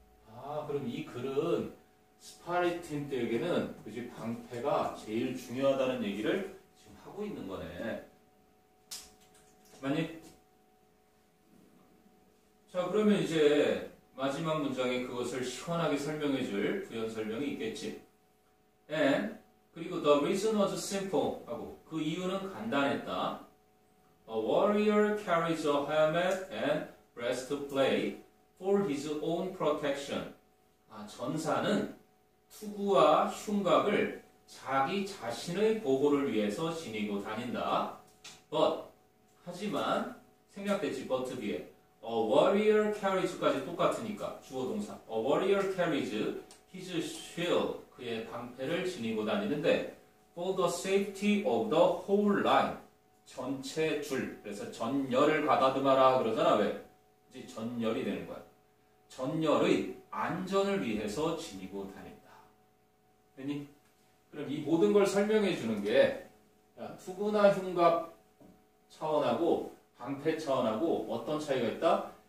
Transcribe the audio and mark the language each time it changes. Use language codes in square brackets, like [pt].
[ko] 아, 그럼 이 글은 스파르타인들에게는 그지 방패가 제일 중요하다는 얘기를 지금 하고 있는 거네. 맞니? 자, 그러면 이제 마지막 문장에 그것을 시원하게 설명해 줄 부연 설명이 있겠지. And 그리고 [en] the reason was simple [ko] 하고 그 이유는 간단했다. [en] A warrior carries a helmet and breastplate for his own protection. [ko] 아, 전사는 투구와 흉갑을 자기 자신의 보호를 위해서 지니고 다닌다. But, 하지만 생략됐지, but 뒤에. [en] A warrior carries [ko] 까지 똑같으니까, 주어동사. [en] A warrior carries his shield, [ko] 그의 방패를 지니고 다니는데 [en] for the safety of the whole line, [ko] 전체 줄. 그래서 전열을 가다듬어라 그러잖아, 왜? 이제 전열이 되는 거야. 전열의 안전을 위해서 지니고 다닌다. 됐니? 그럼 이 모든 걸 설명해 주는 게 투구나 흉갑 차원하고 방패 차원하고 어떤 차이가 있다?